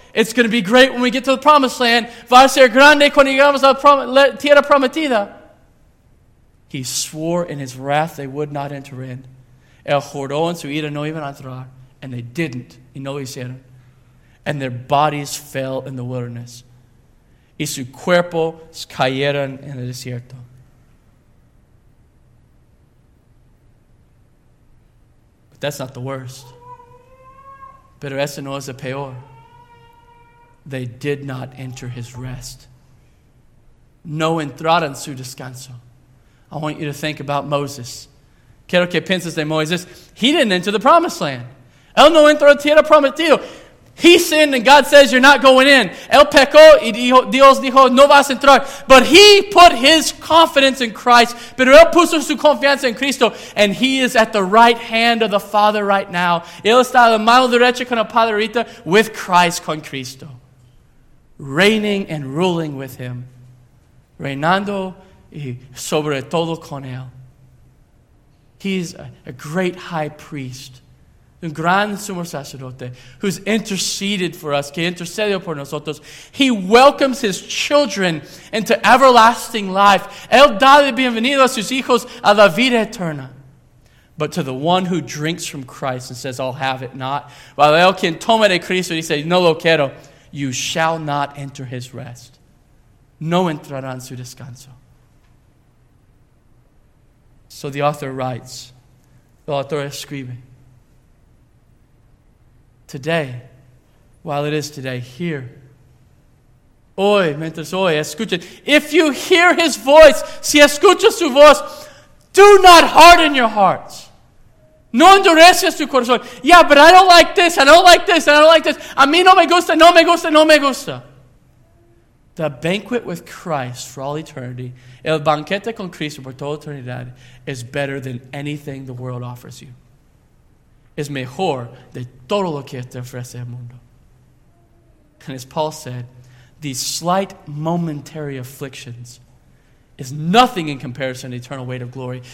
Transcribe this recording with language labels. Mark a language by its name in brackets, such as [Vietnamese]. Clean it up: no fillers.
[English] It's going to be great when we get to the promised land. [Spanish] Va a ser grande cuando llegamos a la tierra prometida. [English] He swore in his wrath they would not enter in. [Spanish] El juró en su ira no iban a entrar. [English] And they didn't. [Spanish] Y no hicieron. [English] And their bodies fell in the wilderness. [Spanish] Y su cuerpo cayeron en el desierto. [English] That's not the worst. [Spanish] Pero eso no es el peor. [English] They did not enter his rest. [Spanish] No entraron su descanso. [English] I want you to think about Moses. [Spanish] Quiero que pienses de Moisés. [English] He didn't enter the promised land. [Spanish] Él no entró a tierra prometida. [English] He sinned and God says, you're not going in. [Spanish] Él pecó y Dios dijo, no vas a entrar. [English] But he put his confidence in Christ. [Spanish] Pero él puso su confianza en Cristo. [English] And he is at the right hand of the Father right now. [Spanish] Él está a la mano derecha con el Padre ahorita [English] with Christ [Spanish] con Cristo. [English] Reigning and ruling with him. [Spanish] Reinando y sobre todo con él. [English] He's a great high priest. [Spanish] Un gran sumo sacerdote [English] who's interceded for us, [Spanish] que intercedió por nosotros. [English] He welcomes his children into everlasting life. [Spanish] Él da la bienvenida a sus hijos a la vida eterna. [English] But to the one who drinks from Christ and says, I'll have it not. [Spanish] While él quien toma de Cristo y dice, no lo quiero. [English] You shall not enter his rest. [Spanish] No entrarán su descanso. [English] So the author writes, [Spanish] el autor escribe, [English] today, while it is today, here. [Spanish] Hoy, mientras hoy, escucha. [English] If you hear his voice, [Spanish] si escucha su voz, [English] do not harden your hearts. [Spanish] No endureces tu corazón. [English] Yeah, but I don't like this, I don't like this, I don't like this. [Spanish] A mí no me gusta, no me gusta, no me gusta. [English] The banquet with Christ for all eternity, [Spanish] el banquete con Cristo por toda eternidad, [English] is better than anything the world offers you. [Spanish] Es mejor de todo lo que te ofrece el mundo. [English] And as Paul said, these slight momentary afflictions is nothing in comparison to the eternal weight of glory.